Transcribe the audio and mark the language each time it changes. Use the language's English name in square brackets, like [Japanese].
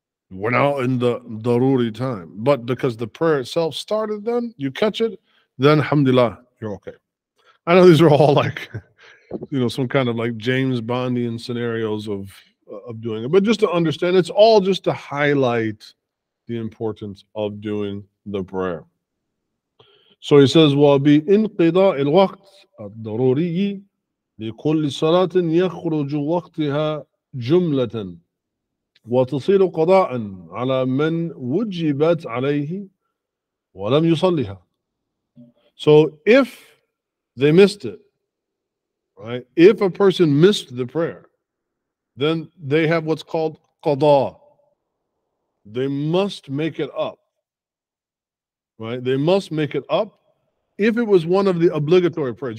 [English] We're now in the daruri time, but because the prayer itself started then, you catch it, then alhamdulillah, you're okay. I know these are all like, you know, some kind of like James Bondian scenarios of doing it. But just to understand, it's all just to highlight the importance of doing the prayer. So he says, [Arabic] وَبِإِنْقِضَاءِ الْوَقْتِ الضَّرُورِيِّ لِكُلِّ صَلَاةٍ يَخْرُجُ وَقْتِهَا جُمْلَةً وَتَصِيرُ قَضَاءً عَلَى مَنْ وُجِّبَتْ عَلَيْهِ وَلَمْ يُصَلِّهَا. [English] So if they missed it, right? If a person missed the prayer, then they have what's called qada. They must make it up, right? They must make it up if it was one of the obligatory prayers.